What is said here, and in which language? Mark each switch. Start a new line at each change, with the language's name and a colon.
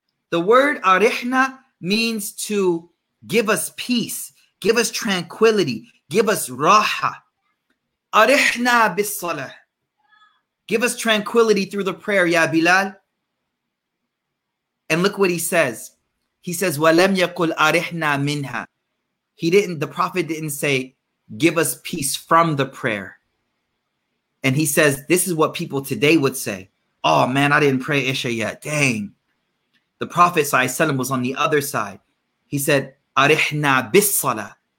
English: The word arihna means to give us peace, give us tranquility, give us raha.
Arabic: Arihna bis-salah.
English: Give us tranquility through the prayer, Ya Bilal. And look what he says. He says,
Arabic: وَلَمْ يَقُلْ أَرِحْنَا مِنْهَا.
English: He didn't, the Prophet didn't say, give us peace from the prayer. And he says, this is what people today would say. Oh man, I didn't pray Isha yet. Dang. The Prophet ﷺ was on the other side. He said,
Arabic: أَرِحْنَا بِالصَّلَىٰ.